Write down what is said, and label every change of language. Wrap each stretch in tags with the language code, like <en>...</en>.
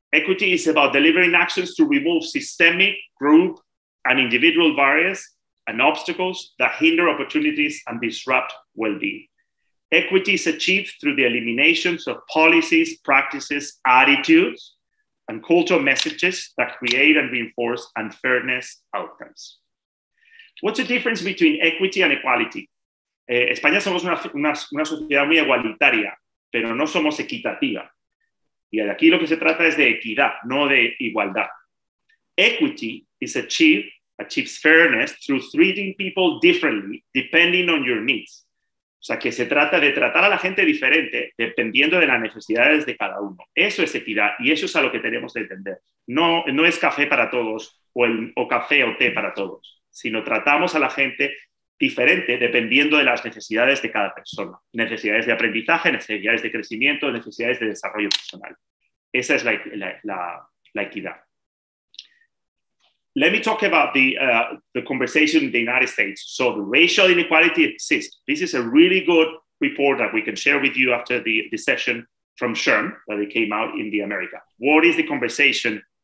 <en>Equity is about delivering actions to remove systemic, group, and individual barriers and obstacles that hinder opportunities and disrupt well-being. Equity is achieved through the elimination of policies, practices, attitudes, and cultural messages that create and reinforce unfairness outcomes. What's the difference between equity and equality?</en> <es>España somos una sociedad muy igualitaria, pero no somos equitativa. Y aquí lo que se trata es de equidad, no de igualdad.</es> <en>Equity is achieves fairness through treating people differently depending on your needs.</en> <es>O sea, que se trata de tratar a la gente diferente dependiendo de las necesidades de cada uno. Eso es equidad y eso es a lo que tenemos que entender. No es café para todos o café o té para todos, sino tratamos a la gente diferente dependiendo de las necesidades de cada persona. Necesidades de aprendizaje, necesidades de crecimiento, necesidades de desarrollo personal. Esa es la equidad.</es> <en>Let me talk about the conversation in the United States. So the racial inequality exists. This is a really good report that we can share with you after the session from SHRM that came out in the America. What is the conversation</en>